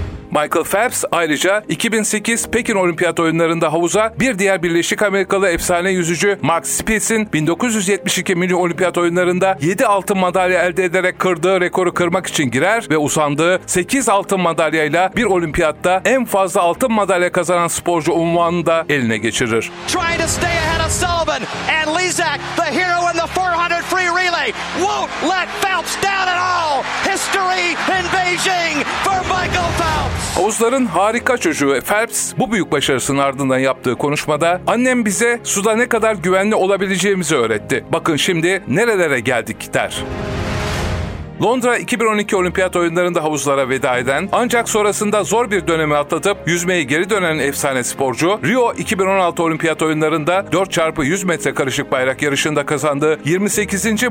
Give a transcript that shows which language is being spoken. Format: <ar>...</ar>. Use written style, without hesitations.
<tr>Michael Phelps ayrıca 2008 Pekin Olimpiyat Oyunları'nda havuza bir diğer Birleşik Amerikalı efsane yüzücü Mark Spitz'in 1972 Mini Olimpiyat Oyunları'nda 7 altın madalya elde ederek kırdığı rekoru kırmak için girer ve usandığı 8 altın madalyayla bir olimpiyatta en fazla altın madalya kazanan sporcu unvanını da eline geçirir.</tr> <en>Trying to stay ahead of Sullivan and Lizak, the hero in the 400 free relay, won't let Phelps down at all. History in Beijing for Michael Phelps.</en> <tr>Havuzların harika çocuğu Phelps, bu büyük başarısının ardından yaptığı konuşmada "Annem bize suda ne kadar güvenli olabileceğimizi öğretti. Bakın şimdi nerelere geldik" der. Londra 2012 Olimpiyat Oyunları'nda havuzlara veda eden, ancak sonrasında zor bir dönemi atlatıp yüzmeye geri dönen efsane sporcu, Rio 2016 Olimpiyat Oyunları'nda 4x100 metre karışık bayrak yarışında kazandığı 28.</tr>